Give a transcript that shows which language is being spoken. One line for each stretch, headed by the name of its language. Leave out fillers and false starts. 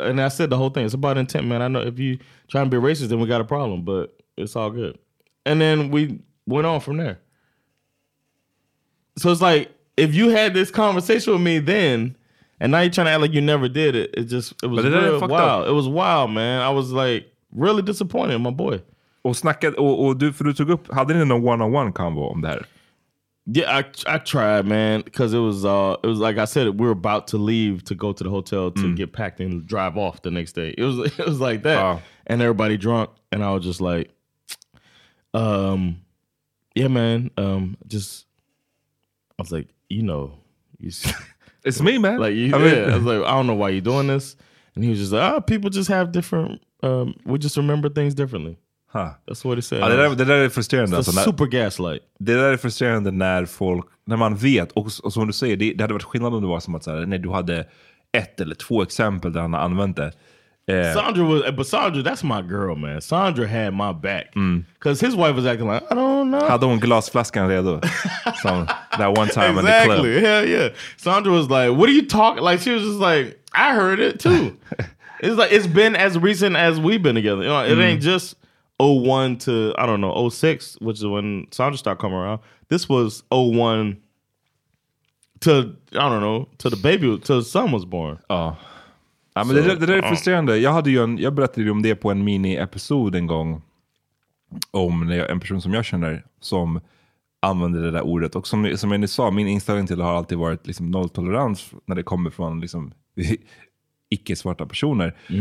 English: And I said the whole thing, it's about intent, man. I know if you try and be racist, then we got a problem, but it's all good. And then we went on from there. So it's like, if you had this conversation with me then... And now you're trying to act like you never did it. It was wild, man. I was like really disappointed, my boy.
Swedish: Och snackat, och du, för du tog upp, hade ni någon
English: one-on-one combo
Swedish: om det här?
English: Yeah, I tried, man. Because it was like I said, we were about to leave to go to the hotel to get packed and drive off the next day. It was like that. Wow. And everybody drunk. And I was just like, yeah, man. I was like, you know, you see. It's me, man. Like, I mean, I was like, I don't know why you're doing this. And he was just like, people just have different, we just remember things differently. Huh. That's what he said.
Swedish: Ja, det där är frustrerande.
English: It's
Swedish: alltså,
English: super gaslight.
Swedish: Det där är frustrerande när folk, när man vet, och som du säger, det hade varit skillnad om det var som att säga, när du hade ett eller två exempel där han har använt det.
English: Sandra was, but Sandra, that's my girl, man. Sandra had my back. Because his wife was acting like, I don't know.
Swedish: Hade hon glasflaskan redo?
English: That one time In the club. Exactly, hell yeah. Sandra was like, what are you talking? Like, she was just like, I heard it too. It's like, it's been as recent as we've been together. You know, it ain't just 01 to, I don't know, 06, which is when Sandra started coming around. This was 01 to, I don't know, to the baby, to the son was born. Oh.
Swedish: Ja, men det där är frustrerande. Jag berättade ju om det på en mini-episod en gång. Om en person som jag känner som använder det där ordet. Och som jag nu sa, min inställning till det har alltid varit liksom nolltolerans när det kommer från liksom icke-svarta personer.